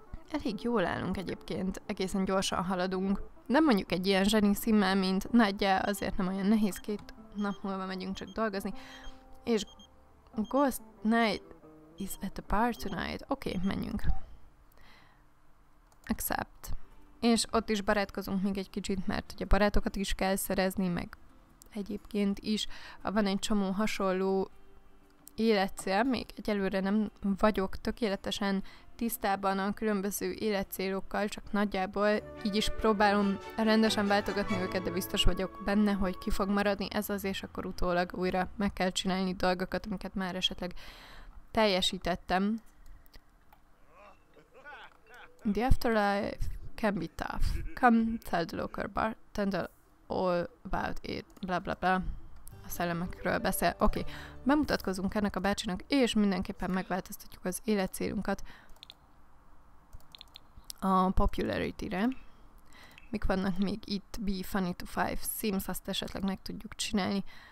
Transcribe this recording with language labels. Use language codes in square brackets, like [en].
[hu] Elég jól állunk egyébként, egészen gyorsan haladunk. Nem mondjuk egy ilyen zseni szimmel, mint nagyja, azért nem olyan nehéz, 2 nap múlva megyünk csak dolgozni. [en] És Ghost Knight is at the bar tonight. [hu] Oké, menjünk. [en] Accept. [hu] És ott is barátkozunk még egy kicsit, mert ugye barátokat is kell szerezni, meg egyébként is. Van egy csomó hasonló életcél, még egyelőre nem vagyok tökéletesen tisztában a különböző életcélokkal, csak nagyjából így is próbálom rendesen váltogatni őket, de biztos vagyok benne, hogy ki fog maradni ez az, és akkor utólag újra meg kell csinálni dolgokat, amiket már esetleg teljesítettem. [en] The Afterlife can be tough. Come tell the local bartender all about it. [hu] Blablabla. A szellemekről beszél. Oké. Bemutatkozunk ennek a bácsinak, és mindenképpen megváltoztatjuk az életcélunkat a popularity-re. mik vannak még itt, Be Funny to Five Sims, azt esetleg meg tudjuk csinálni.